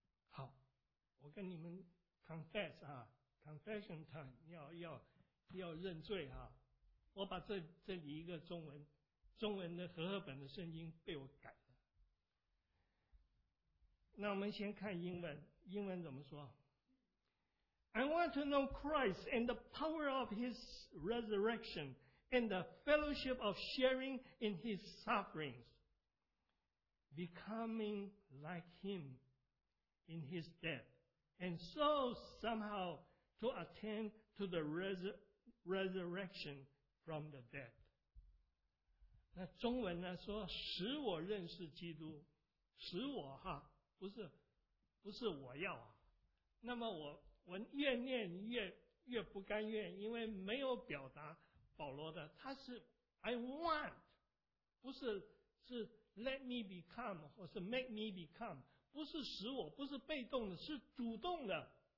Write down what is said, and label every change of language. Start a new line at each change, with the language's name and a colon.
Chinese: 好，我跟你们 confess 啊，
English: confession time，
Chinese: 要认罪啊。我把这里一个中文的和合本的圣经被我改了。那我们先看英文，英文怎么说
English: ？I want to know Christ and the power of His resurrection and the fellowship of sharing in His sufferings, becoming like Him in His death, and so somehow to attain to the resurrection from the dead.
Chinese: 那中文呢说使我认识基督，使我哈。不是我要啊，那么我越念越不甘愿，因为没有表达保罗的，他是
English: I want，
Chinese: 不是
English: let me become
Chinese: 或是
English: make me become，
Chinese: 不是使我，不是被动的，是主动的。